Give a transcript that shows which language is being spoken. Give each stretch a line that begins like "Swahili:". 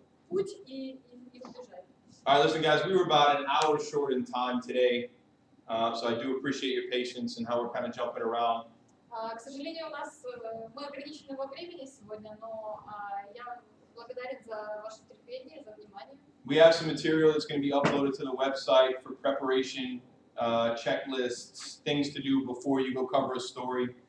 English: Alright, listen guys, we were about an hour short in time today, so I do appreciate your patience and how we're kind of jumping around.
Russian: К сожалению, у нас мы ограничены во времени сегодня, но я благодарен за ваше терпение, за внимание.
English: We have some material that's going to be uploaded to the website for preparation, checklists, things to do before you go cover a story.